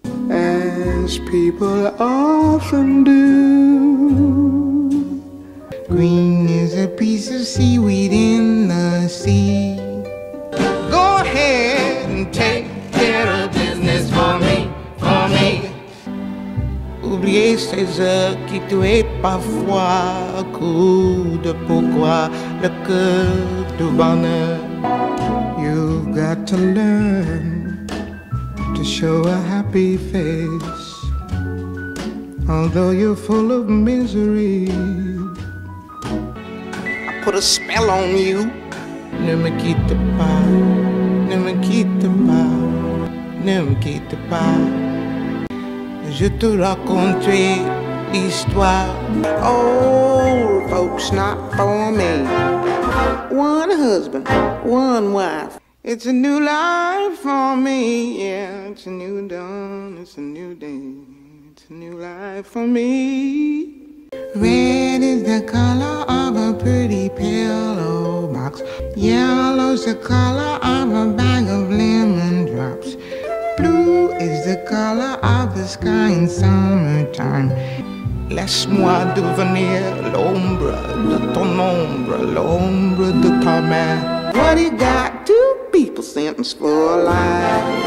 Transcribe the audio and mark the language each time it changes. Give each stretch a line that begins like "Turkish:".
English: As people often do. Green is a piece of seaweed in the sea. Go ahead and take care of business for me, for me.
French: Oubliez ces heures qui tuaient parfois à coup de pourquoi le cœur du bonheur.
English: You've got to learn to show a happy face, although you're full of misery. I put a spell on you.
French: Ne me quitte pas, ne me quitte pas, ne me quitte pas. Je te raconterai l'histoire.
English: Old folks, not for me. One husband, one wife. It's a new life for me, yeah. It's a new dawn, it's a new day. It's a new life for me. Red is the color of a pretty pillow box. Yellow's the color of a bag of lemon drops. Blue is the color of the sky in summertime.
French: Laisse-moi devenir l'ombre de ton ombre, l'ombre de ta main.
English: What do you got? Two people sentenced for life.